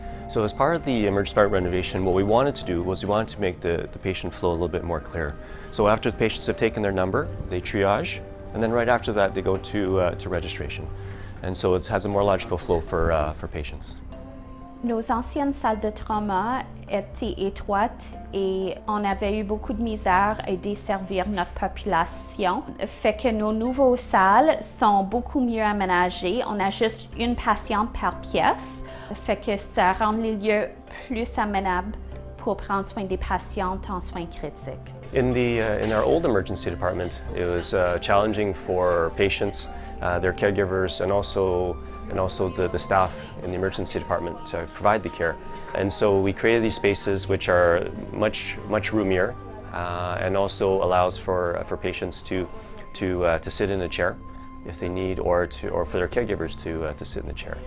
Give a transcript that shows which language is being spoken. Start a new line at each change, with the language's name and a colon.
English: So as part of the emergency department renovation, what we wanted to do was we wanted to make the patient flow a little bit more clear. So after the patients have taken their number, they triage, and then right after that, they go to registration. And so it has a more logical flow for patients.
French: Nos anciennes salles de trauma étaient étroites et on avait eu beaucoup de misère à desservir notre population. Fait que nos nouveaux salles sont beaucoup mieux aménagées. On a juste une patiente par pièce. Fait que ça rend les lieux plus aménables pour prendre soin des patients en soins critiques.
English: In our old emergency department, it was challenging for patients, their caregivers, and also the staff in the emergency department to provide the care. And so we created these spaces which are much roomier, and also allows for patients to sit in a chair if they need, or for their caregivers to sit in the chair.